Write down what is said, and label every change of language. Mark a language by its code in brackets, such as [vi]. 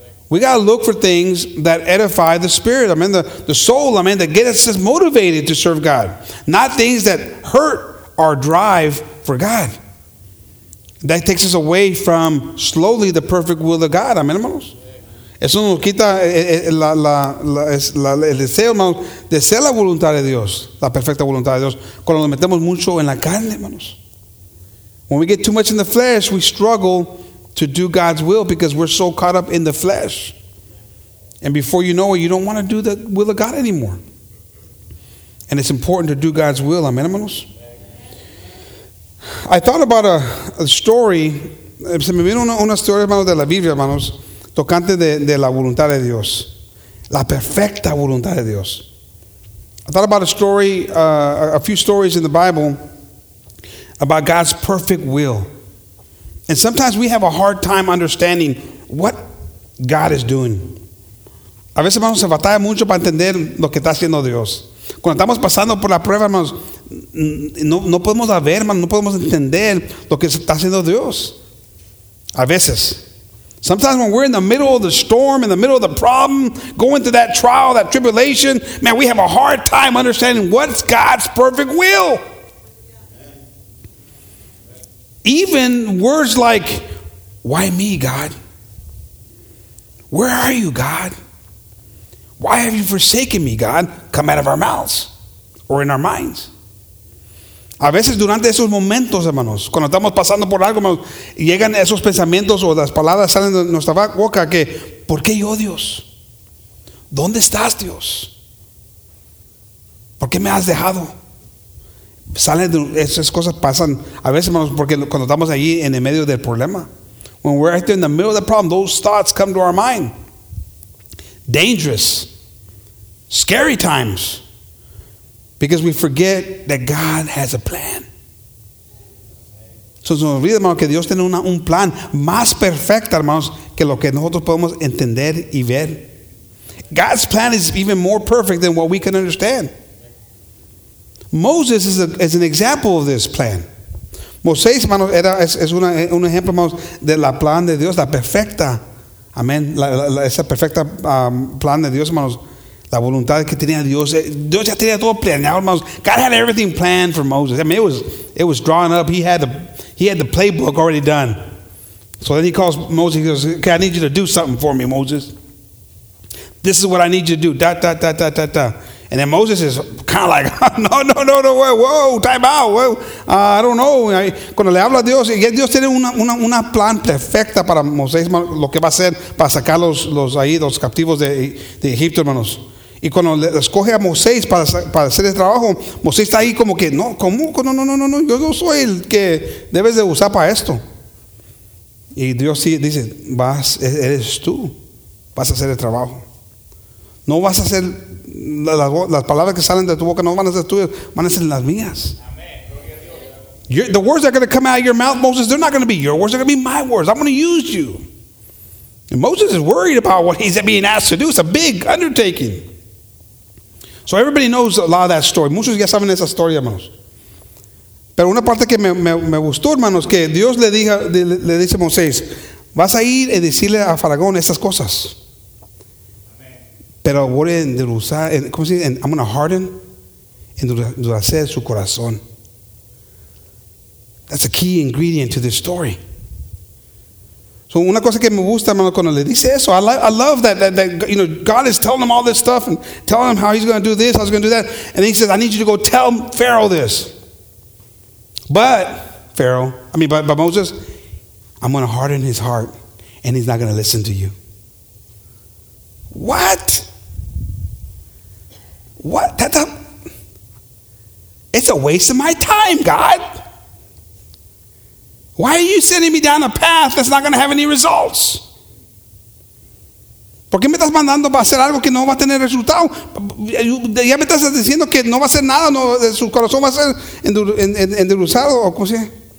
[en] We got to look for things that edify the spirit, amen, the soul, amen, that get us motivated to serve God. Not things that hurt our drive for God. That takes us away from slowly the perfect will of God, amen, hermanos. [es] Eso nos quita el deseo, hermanos, de ser la voluntad de Dios, la perfecta voluntad de Dios, cuando nos metemos mucho en la carne, hermanos. [en] When we get too much in the flesh, we struggle to do God's will because we're so caught up in the flesh. And before you know it, you don't want to do the will of God anymore. And it's important to do God's will, amen, hermanos. I thought about a story, [es] se me vino una historia, hermanos, de la Biblia, hermanos, tocante de la voluntad de Dios, la perfecta voluntad de Dios. [en] I thought about a story, a few stories in the Bible about God's perfect will. And sometimes we have a hard time understanding what God is doing. [es] A veces, hermanos, se batalla mucho para entender lo que está haciendo Dios. Cuando estamos pasando por la prueba, hermanos, no podemos ver, hermanos, no podemos entender lo que está haciendo Dios. A veces. [en] Sometimes when we're in the middle of the storm, in the middle of the problem, going through that trial, that tribulation, man, we have a hard time understanding what's God's perfect will. Even words like, why me, God? Where are you, God? Why have you forsaken me, God? Come out of our mouths or in our minds. [es] A veces durante esos momentos, hermanos, cuando estamos pasando por algo, hermanos, llegan esos pensamientos o las palabras salen de nuestra boca que, ¿por qué yo, Dios? ¿Dónde estás, Dios? ¿Por qué me has dejado? Salen de esas cosas, pasan a veces, hermanos, porque cuando estamos allí en el medio del problema. [en] When we're right there in the middle of the problem, those thoughts come to our mind. Dangerous. Scary times. Because we forget that God has a plan. [es] So, nos olvida, hermanos, que Dios tiene un plan más perfecto, hermanos, que lo que nosotros podemos entender y ver. [en] God's plan is even more perfect than what we can understand. Moses is an example of this plan. [es] Moisés, hermanos, es un ejemplo, hermanos, de la plan de Dios, la perfecta. Amén. Esa perfecta plan de Dios, hermanos. La voluntad que tenía Dios. Dios ya tenía todo planeado, hermanos. [en] God had everything planned for Moses. I mean, it was drawn up. He had the playbook already done. So then he calls Moses. He goes, okay, I need you to do something for me, Moses. This is what I need you to do. Da, da, da, da, da, da. And then Moses is kind of like, no, whoa, time out. I don't know. [es] Cuando le habla a Dios, Dios tiene una plan perfecta para Moisés, lo que va a hacer para sacar los captivos de Egipto, hermanos. Y cuando le escoge a Moisés para hacer el trabajo, Moisés está ahí como que, no, ¿cómo? No, yo no soy el que debes de usar para esto. Y Dios sí dice, eres tú, vas a hacer el trabajo. No vas a hacer las palabras que salen de tu boca, no van a ser tuyas, van a ser las mías. [en] The words that are going to come out of your mouth, Moses, they're not going to be your words, they're going to be my words. I'm going to use you. And Moses is worried about what he's being asked to do. It's a big undertaking. So everybody knows a lot of that story. [es] Muchos ya saben esa historia, hermanos. Pero una parte que me gustó, hermanos, que Dios le dice a Moisés, vas a ir y decirle a Faraón estas cosas. Pero voy a endurecer, ¿cómo se dice? [en] I'm going to harden, [es] endurecer su corazón. [en] That's a key ingredient to this story. So [es] una cosa que me gusta, hermano, cuando le dice eso, [en] I love that, you know, God is telling him all this stuff and telling him how he's going to do this, how he's going to do that. And he says, I need you to go tell Pharaoh this. But Moses, I'm going to harden his heart and he's not going to listen to you. What? It's a waste of my time, God. Why are you sending me down a path that's not going to have any results? [es] ¿Por qué me estás mandando para hacer algo que no va a tener resultado? ¿Ya me estás diciendo que no va a ser nada? No, ¿su corazón va a ser endurecido o cómo se llama?